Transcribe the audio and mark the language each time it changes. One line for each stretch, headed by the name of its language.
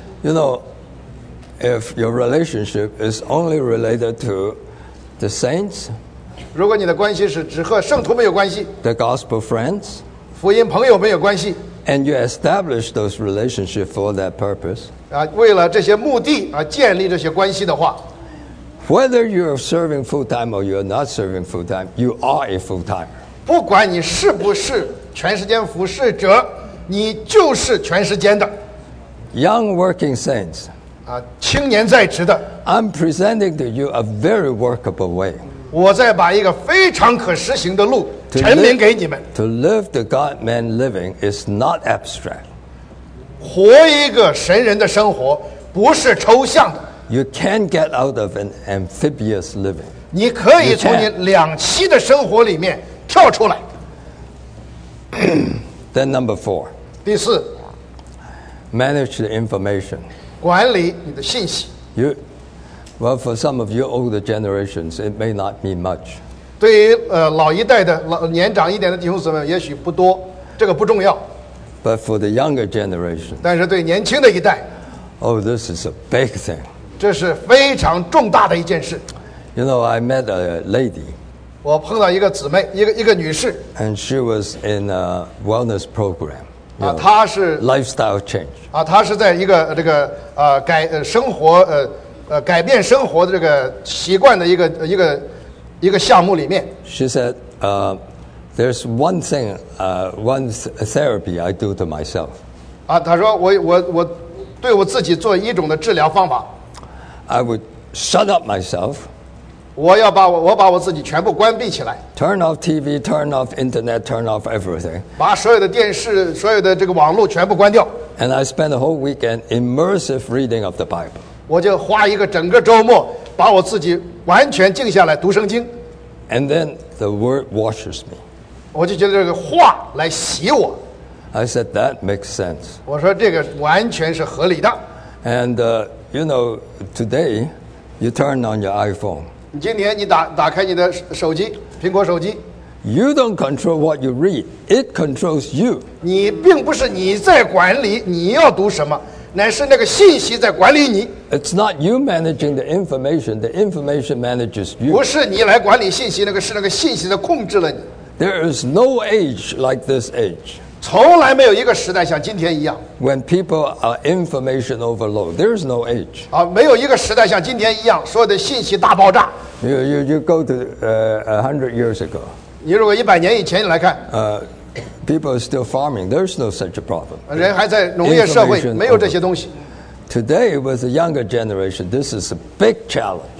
English: You know, if your relationship is only related to the saints,
Chinese: 如果你的关系是只和圣徒没有关系
English: ，the gospel friends,
Chinese: 福音朋友没有关系
English: ，and you establish those relationships for that purpose,
Chinese: 为了这些目的而建立这些关系的话。
English: Whether you are serving full time or you are not serving full time, you are a full timer.
Chinese: 不管你是不是全时间服侍者，你就是全时间的。
English: Young working saints,
Chinese: 青年在职的。
English: I'm presenting to you a very workable way.
Chinese: 我在把一个非常可实行的路陈明给你们。
English: To live the God man living is not abstract.
Chinese: 活一个神人的生活不是抽象的。
English: You can get out of an amphibious living.
Chinese: 你可以从你两栖的生活里面跳出来。
English: Then number 4.
Chinese: 第四。
English: Manage the information.
Chinese: 管理你的信息。
English: Well, for some of you older generations, it may not mean much.
Chinese: 对于老一代的年长一点的弟兄姊妹，也许不多，这个不重要。
English: But for the younger generation.
Chinese: 但是对年轻的一代。
English: Oh, this is a big thing.
Chinese: 这是非常重大的一件事。
English: You know, I met a lady.
Chinese: 我碰到一个姊妹，一个女士。
English: And she was in a wellness program. You know,
Chinese: 她是
English: lifestyle change.
Chinese: 她是在一个这个改生活改变生活的这个习惯的一个项目里面。
English: She said, there's one thing, one therapy I do to myself.
Chinese: 她说我对我自己做一种的治疗方法。
English: I would shut up myself.
Chinese: 我要把 我把我自己全部关闭起来。
English: Turn off TV, turn off internet, turn off everything.
Chinese: 把所有的电视，所有的这个网络全部关掉。
English: And I spent a whole weekend immersive reading of the Bible.
Chinese: 我就花一个整个周末，把我自己完全静下来读圣经。
English: And then the word washes me.
Chinese: 我就觉得这个话来洗我。
English: I said that makes sense.
Chinese: 我说这个完全是合理的。
English: And you know, today you turn on your iPhone.
Chinese: 今天你打开你的手机，苹果手机。
English: You don't control what you read; it controls you.
Chinese: 你并不是你在管理你要读什么，乃是那个信息在管理你。
English: It's not you managing the information; the information manages you.
Chinese: 不是你来管理信息，那个是那个信息在控制了你。
English: There is no age like this age.
Chinese: 从来没有一个时代像今天一样。
English: When people are information overload, there is no age.
Chinese: 没有一个时代像今天一样，所有的信息大爆炸。
English: You go to 100 years ago.
Chinese: 你如果一百年以前来看。
English: People are still farming. There is no such a problem.
Chinese: 人还在农业社会，没有这些东西。
English: Today, with the younger generation, this is a big challenge.